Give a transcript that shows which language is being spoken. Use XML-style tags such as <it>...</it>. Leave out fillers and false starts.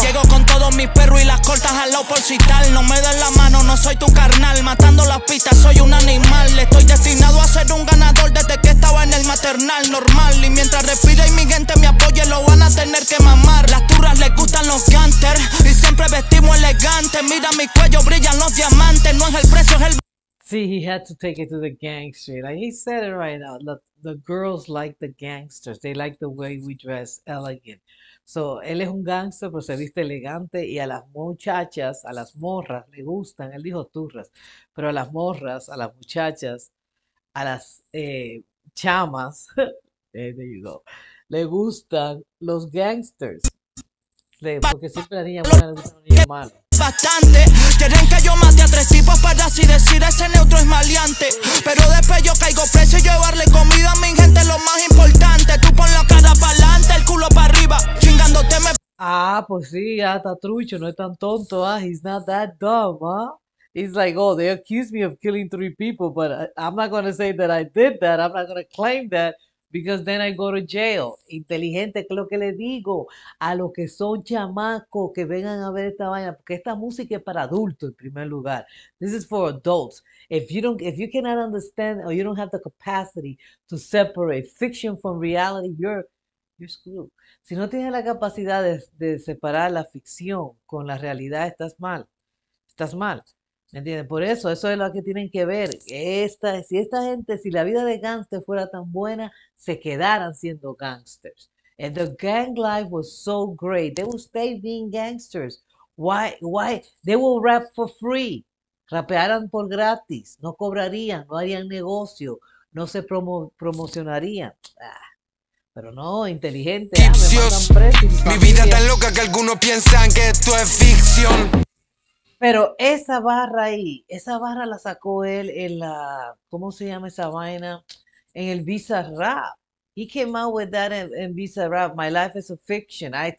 <es>Que llego con todos mis perros y las cortas al lado por si tal. No me den la mano, no soy tu carnal. Matando las pistas, soy un animal. Estoy destinado a ser un ganador desde que estaba en el maternal normal. Y mientras respire y mi gente me apoye, lo van a tener que mamar. Las turras les gustan los canters y siempre vestimos elegante. Mira mi cuello, brillan los diamantes. No es el precio, es el.</es> <en>See, he had to take it to the gang street. Like he said it right now. The girls like the gangsters. They like the way we dress elegant.</en> <es>So, él es un gangster, pero se viste elegante. Y a las muchachas, a las morras, le gustan. Él dijo turras. Pero a las morras, a las muchachas, a las chamas, there you go, le gustan los gangsters. Porque siempre a la niña buena le gusta a la niña mala. Bastante, quieren que yo mate a tres tipos para así decir ese neutro es maleante. Pero después yo caigo preso y llevarle comida a mi gente es lo más importante. Tú pon la cara para adelante, el culo para arriba, chingándote me. Ah, pues sí, ya está trucho, no es tan tonto, ah,</es> <en>he's not that dumb,</en> <es>ah.</es> <en>He's like, oh, they accused me of killing three people, but I'm not gonna say that I did that, I'm not gonna claim that. Because then I go to jail.</en> <es>Inteligente, que es lo que le digo a los que son chamacos que vengan a ver esta vaina, porque esta música es para adultos en primer lugar.</es> <en>This is for adults. If you cannot understand or you don't have the capacity to separate fiction from reality, you're screwed.</en> <es>Si no tienes la capacidad de separar la ficción con la realidad, estás mal. Estás mal. ¿Me entiendes? Por eso es lo que tienen que ver. Si esta gente, si la vida de gángster fuera tan buena, se quedaran siendo gangsters.</es> <en>And the gang life was so great. They will stay being gangsters. Why? They will rap for free.</en> <es>Rapearan por gratis. No cobrarían, no harían negocio, no se promocionarían. Pero no, inteligente. Ah, me mandan preso y mi Mi vida familia. tan loca que algunos piensan que esto es ficción. Pero esa barra ahí, esa barra la sacó él en la, ¿cómo se llama esa vaina? En el Visa Rap.</es> <en>He came out with that in Visa Rap, My Life is a Fiction.</en>